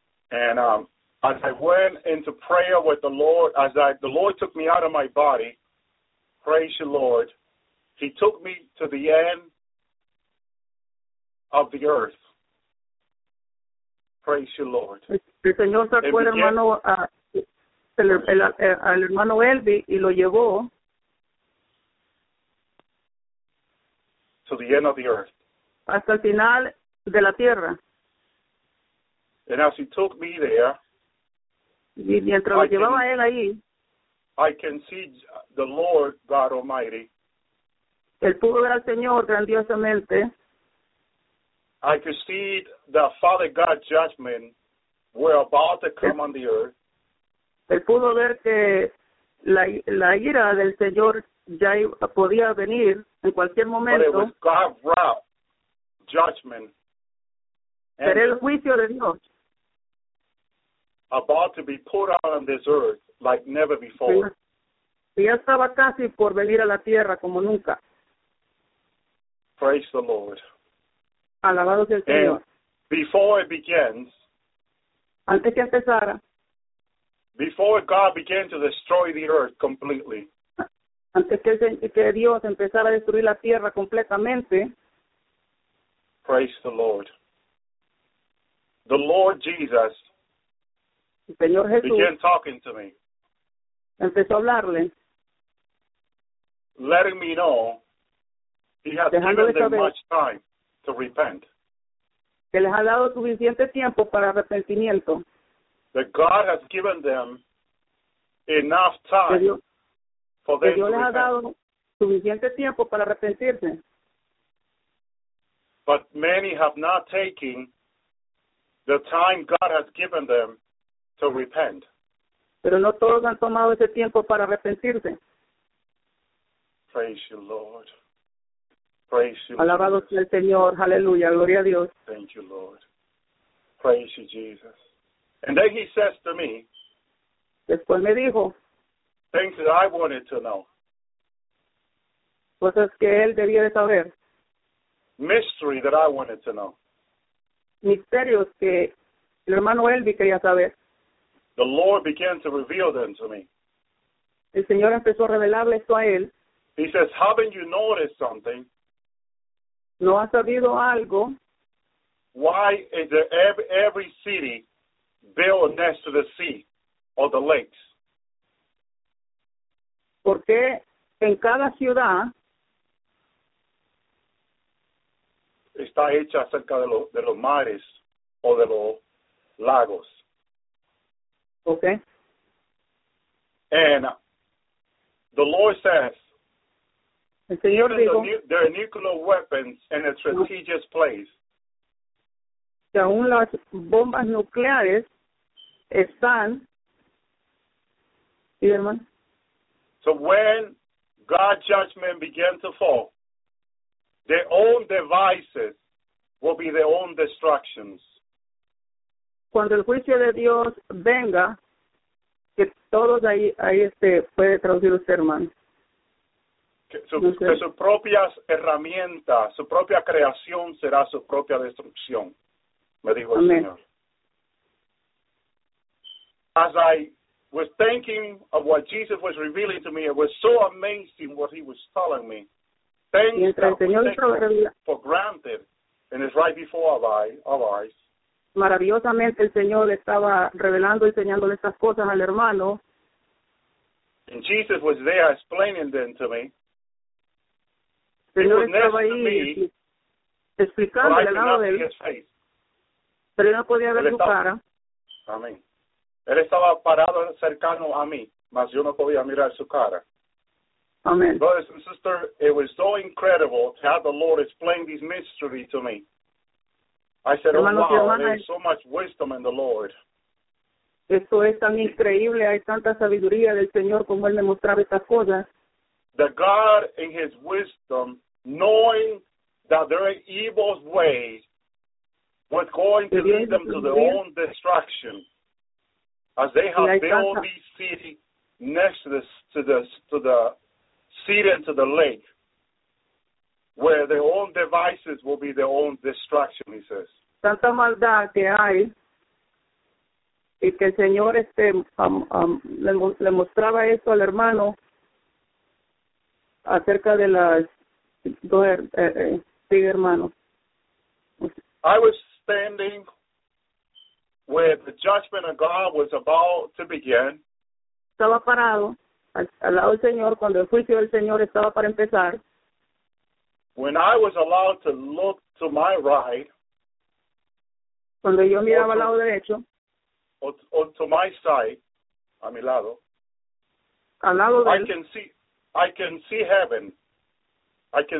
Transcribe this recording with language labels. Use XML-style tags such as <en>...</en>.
<en>And as I went into prayer with the Lord, the Lord took me out of my body, praise the Lord, he took me to the end of the earth. Praise you, Lord.</en> <es>El Señor sacó al hermano al hermano Elvi y lo llevó</es> <en>to the end of the earth.</en> <es>Hasta el final de la tierra.</es> <en>And as he took me there,</en> <es>y mientras lo llevaba él ahí,</es> <en>I can see the Lord God Almighty.</en> <es>Él pudo ver al Señor grandiosamente.</es> <en>I could see the Father God judgment were about to come on the earth.</en> <es>Él pudo ver que la ira del Señor ya podía venir en cualquier momento.</es> <en>But it was God's wrath, judgment.</en> <es>Pero el juicio de Dios.</es> <en>About to be put out on this earth like never before.</en> <es>Ya estaba casi por venir a la tierra como nunca.</es> <en>Praise the Lord.</en> <es>Alabado sea el Señor.</es> <en>Before it begins,</en> <es>antes que empezara,</es> <en>before God began to destroy the earth completely,</en> <es>antes que Dios empezara a destruir la tierra completamente,</es> <en>praise the Lord. The Lord Jesus,</en> <es>el Señor Jesús,</es> <en>began talking to me,</en> <es>empezó a hablarle,</es> <en>letting me know he has given them</en> <es>saber</es> <en>much time to repent.</en> <es>Que les ha dado suficiente tiempo para arrepentimiento.</es> <en>That God has given them enough time</en> <es>que Dios,</es> <en>for them</en> <es>que Dios</es> <en>to</en> <es>les</es> <en>repent.</en> <es>Ha dado suficiente tiempo para arrepentirse.</es> <en>But many have not taken the time God has given them to repent.</en> <es>Pero no todos han tomado ese tiempo para arrepentirse.</es> <en>Praise you, Lord. Praise you.</en> <es>Alabado sea el Señor. Aleluya. Gloria a Dios.</es> <en>Thank you, Lord. Praise you, Jesus. And then he says to me,</en> <es>después me dijo,</es> <en>things that I wanted to know.</en> <es>Cosas que él debía de saber.</es> <en>Mystery that I wanted to know.</en> <es>Misterios que el hermano Elvi quería saber.</es> <en>The Lord began to reveal them to me.</en> <es>El Señor empezó a revelarle esto a él.</es> <en>He says, haven't you noticed something?</en> <es>¿No has sabido algo?</es> <en>Why is there every city built next to the sea or the lakes?</en> <es>¿Por qué en cada ciudad está hecha cerca de los mares o de los lagos?</es> <en>Okay. And the Lord says,</en> <es>el Señor</es> <en>even</en> <es>dijo,</es> <en>there are nuclear weapons in a strategic place.</en> <es>Que aún las bombas nucleares están. ¿Sí, hermano?</es> <en>So when God's judgment began to fall, their own devices will be their own destructions.</en> <es>Cuando el juicio de Dios venga, que todos ahí puede traducir usted, hermano. Que sus propias herramientas, su propia creación será su propia destrucción, me dijo el Señor.</es> <en>As I was thinking of what Jesus was revealing to me, it was so amazing what he was telling me. Things that we take for granted, and it's right before our eyes.</en> <es>Maravillosamente el Señor estaba revelando y enseñándole estas cosas al hermano. And Jesus was there explaining them to me. Señor estaba ahí explicando al lado de él. Pero no podía ver su cara. Amén. Él estaba parado cercano a mí, mas yo no podía mirar su cara. Amén.</es> <en>Brothers and sisters, it was so incredible to have the Lord explain this mystery to me. I said,</en> <es>hermanos,</es> <en>oh, wow,</en> <es>hermanas,</es> <en>there is so much wisdom in the Lord.</en> <es>Esto es tan increíble. Hay tanta sabiduría del Señor como Él me mostraba estas cosas.</es> <en>The God in His wisdom, knowing that there are evil ways, was going to lead them to their own destruction. As they have built this city next to the city and to the lake, where their own devices will be their own destruction, he says.</en> <es>Tanta maldad que hay, y que el Señor le mostraba esto al hermano acerca de las dos hermanos.</es> <en>I was standing where the judgment of God was about to begin.</en> <es>Estaba parado al lado del Señor cuando el juicio del Señor estaba para empezar.</es> <en>When I was allowed to look to my right,</en> <es>cuando yo miraba al lado derecho,</es> <en>or to my side,</en> <es>a mi lado, al lado de él,</es> <en>I can see heaven. I can</en>